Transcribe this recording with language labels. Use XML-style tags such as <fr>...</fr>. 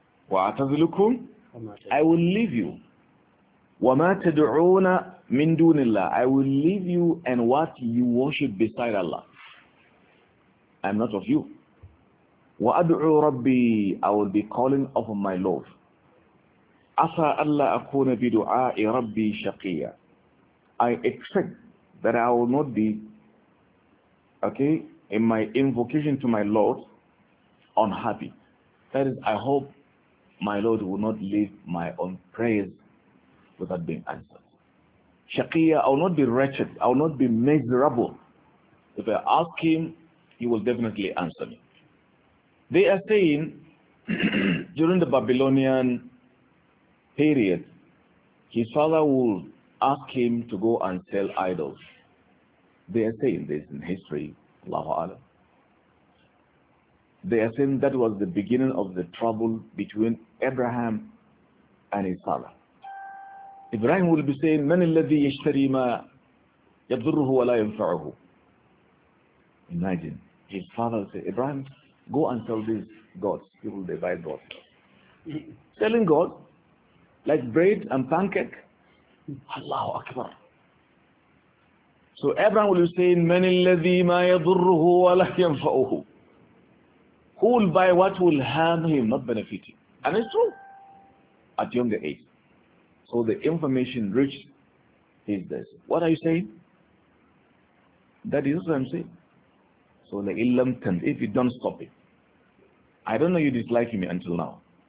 <ar>وَأَعْتَزِلُكُمْ.</ar> <en>I will leave you.</en> <ar>وَمَا تَدْعُونَ مِن دُونِ اللَّهِ.</ar> <en>I will leave you and what you worship beside Allah. I am not of you.</en> <ar>وأدعو ربي</ar> <en>I will be calling of my Lord.</en> <ar>عسى ألا أكون بدعاء ربي شقيا.</ar> <en>I expect that I will not be, okay, in my invocation to my Lord, unhappy. That is, I hope my Lord will not leave my own prayers without being answered. Shaqiyya, I will not be wretched. I will not be miserable. If I ask him, he will definitely answer me. They are saying, during the Babylonian period, his father will ask him to go and sell idols. They are saying this in history, Allahu A'lam. They are saying that was the beginning of the trouble between Abraham and his father. Ibrahim will be saying,</en> <ar>من الذي يشتري ما يضره ولا ينفعه.</ar> <en>Imagine, his father will say, Ibrahim, go and sell these gods. He will divide gods. Selling gods, like bread and pancake, Allahu Akbar. So Abraham will be saying,</en> <ar>من الذي ما يضره ولا ينفعه.</ar> <en>Who will buy what will harm him, not benefit him? And it's true, at younger age. So the information reached his desk. What are you saying? That is what I'm saying. So the illam tan, if you don't stop it. I don't know you disliking me until now.</en>